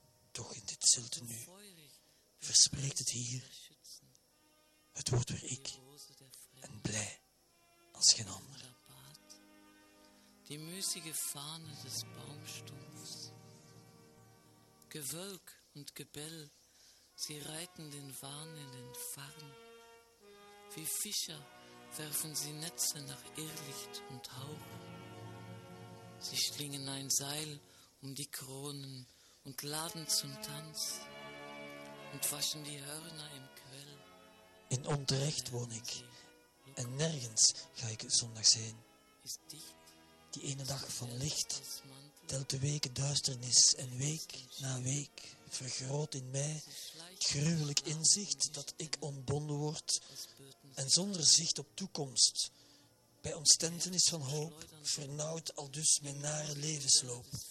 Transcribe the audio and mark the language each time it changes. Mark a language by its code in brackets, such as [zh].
[nl] Toch in dit zilte nu, verspreekt het hier. Het wordt weer ik, en blij als geen ander. [de] Die müßige Fahne des Baumstumpfs. Gewölk und Gebell, sie reiten den Wahn in den Farn. Wie Fischer werfen sie Netze nach Irrlicht und Hauch. Sie schlingen ein Seil um die Kronen und laden zum Tanz und waschen die Hörner im Quell. [nl] In Unterrecht woon ik en nergens ga ik zondags heen. Die ene dag van licht telt de weken duisternis en week na week vergroot in mij het gruwelijk inzicht dat ik ontbonden word en zonder zicht op toekomst bij ontstentenis van hoop vernauwd aldus mijn nare levensloop.